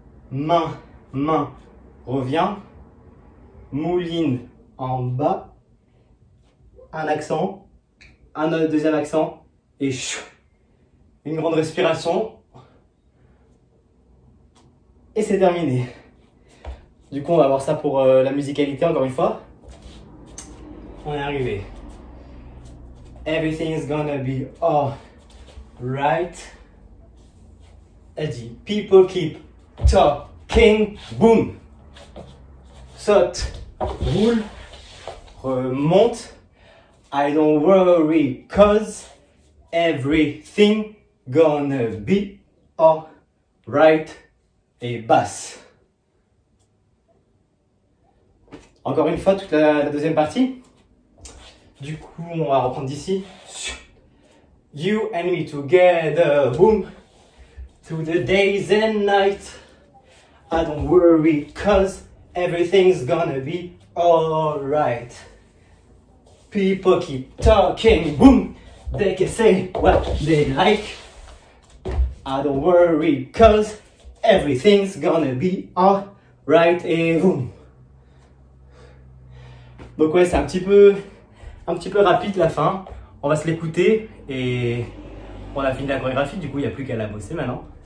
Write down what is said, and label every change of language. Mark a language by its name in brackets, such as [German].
[French] Main, main, reviens, mouline en bas, un accent, un deuxième accent et chou, une grande respiration et c'est terminé. Du coup, on va voir ça pour la musicalité encore une fois. On est arrivé. [English] Everything is gonna be alright. [French] Elle dit, [English] people keep talk. King, boom, [French] saute, roule, remonte, [English] I don't worry, cause everything gonna be alright, [French] et basse. Encore une fois, toute la deuxième partie. Du coup, on va reprendre d'ici. [English] You and me together, boom, through the days and nights. I don't worry, cause everything's gonna be alright. People keep talking, boom, they can say what they like. I don't worry, cause everything's gonna be alright, et boom. [French] Donc ouais, c'est un petit peu rapide la fin. On va se l'écouter et on a fini la chorégraphie, du coup il n'y a plus qu'à la bosser maintenant.